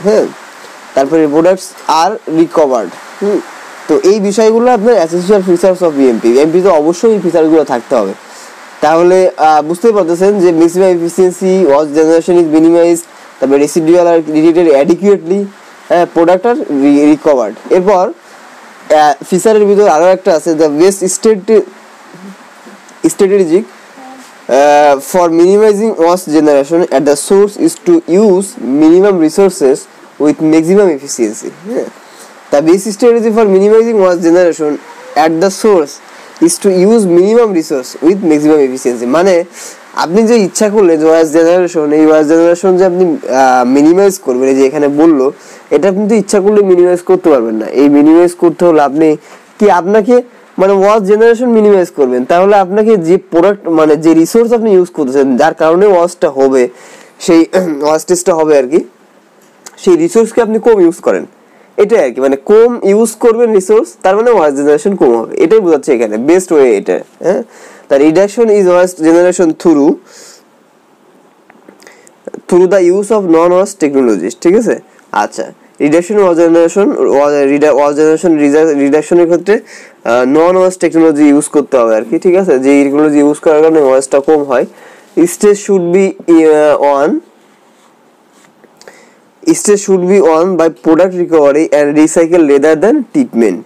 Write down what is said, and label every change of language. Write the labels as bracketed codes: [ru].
[bn] হ্যাঁ, তারপরে প্রোডাক্টস আর রিকভার্ড। তো এই বিষয়গুলো আপনার essential features of EMP, EMP তো অবশ্যই এই ফিচারগুলো থাকতে হবে। তাহলে বুঝতেই পারতেছেন যে maximum efficiency, [en] waste generation is minimized, [bn] তারপরে রেসিডুয়াল আর ট্রিটেড অ্যাডিকুয়েটলি, হ্যাঁ, প্রোডাক্ট আর রিকভার্ড। এরপর ফিচারের ভিতরে আরও একটা আছে, [en] The best state strategic for minimizing waste generation at the source is to use minimum resources with maximum efficiency. The basic strategy for minimizing waste generation at the source is to use minimum resource with maximum efficiency. [bn] মানে আপনি যে ইচ্ছা করলে যে ওয়াস generation, এই ওয়াস generation যে আপনি minimise করবেন, যে এখানে বললো এটা আপনি তো ইচ্ছা করলে মিনিমাইজ করতে পারবেন না। এই মিনিমাইজ করতে হলে আপনি কি আপনাকে মানে ওয়াস জেনারেশন মিনিমাইজ করবেন, তাহলে আপনাকে যে প্রোডাক্ট মানে যে রিসোর্স আপনি ইউজ করতেছেন যার কারণে ওয়াসটা হবে, সেই ওয়াস্টেজটা হবে আর কি, সেই রিসোর্সকে আপনি কম ইউজ করেন, এটাই আর কি। মানে কম ইউজ করবেন রিসোর্স, তার মানে ওয়াস জেনারেশন কম হবে, এটাই বোঝাচ্ছে এখানে বেস্ট ওয়ে এটা। [en] হ্যাঁ, the reduction is waste generation through the use of non waste technologies. [bn] ঠিক আছে, আচ্ছা, রিডাকশন ওয়াস জেনারেশন, ওয়াস জেনারেশন রিডাকশনের ক্ষেত্রে নন ওয়াস টেকনোলজি ইউজ করতে হবে আর কি। ঠিক আছে, যে টেকনোলজি ইউজ করার কারণে ওয়াসটা কম হয়। [en] Stage should be on, stage should be on by product recovery and recycle rather than treatment.